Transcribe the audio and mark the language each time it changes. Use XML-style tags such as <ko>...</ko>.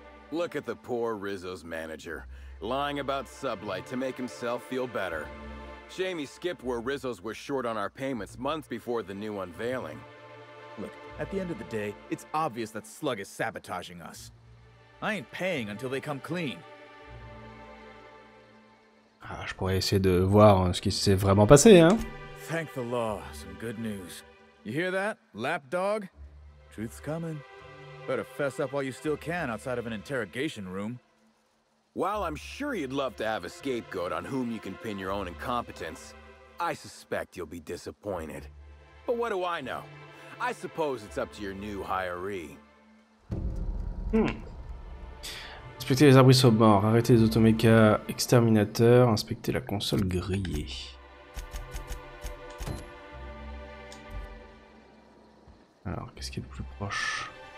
<en>Look at the poor Rizzo's manager, lying about Sublight to make himself feel better. Jamie skipped where Rizzo's were short on our payments months before the new unveiling. Look, at the end of the day, it's obvious that Slug is sabotaging us. I ain't paying until they come clean.</en> <fr>Ah, je pourrais essayer de voir ce qui s'est vraiment passé, hein.</fr> <en>Thank the law, some good news. You hear that, lapdog? Truth's coming. Better fess up while you still can outside of an interrogation room. While I'm sure you'd love to have a scapegoat on whom you can pin your own incompetence, I suspect you'll be disappointed. But what do I know? I suppose it's up to your new hiree.</en> <fr>Inspecter les abris sobres, arrêter les automécas exterminateurs, inspecter la console grillée. Alors, qu'est-ce qui est le plus proche?</fr>